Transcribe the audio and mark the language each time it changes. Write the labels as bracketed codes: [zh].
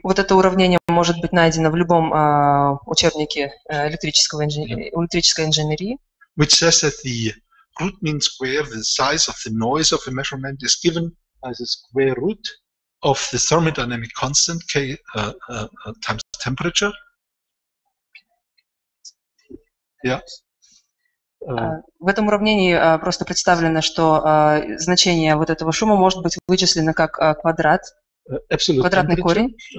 [ru] Вот это уравнение может быть найдено в любом учебнике электрической инженерии. [en] Which says that the root mean square, the size of the noise of a measurement is given by the square root of the thermodynamic constant K times temperature. Yeah. [ru] В этом уравнении просто представлено, что значение вот этого шума может быть вычислено как квадрат, квадратный корень.